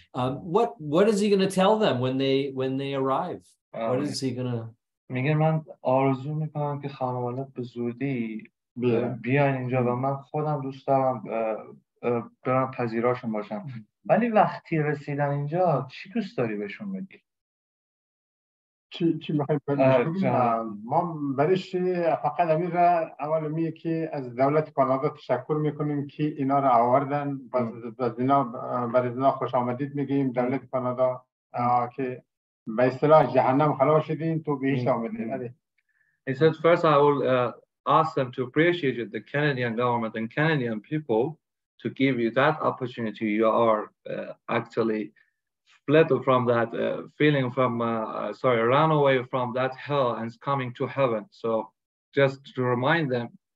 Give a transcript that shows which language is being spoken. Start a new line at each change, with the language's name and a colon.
English: What is he going to tell them when they arrive? What is he going to?
Persian: میگم من آرزو میکنم که خانواده به زودی بیان اینجا و من خودم دوست دارم برم پذیراشون باشم. ولی وقتی رسیدن اینجا چی دوست داری بهشون بگی؟ چی میخوایی بدیشون بگم؟ ما برش فقط امیر را اول میگه که از دولت کانادا تشکر میکنیم که اینا را آوردن. برزنا خوش آمدید میگیم دولت کانادا که به اصطلاح جهنم خلاص شدین تو بهش آمدین.
English: He said, first I will ask them to appreciate the Canadian government and Canadian people to give you that opportunity. You are actually fled from that feeling run away from that hell and coming to heaven. So just to remind them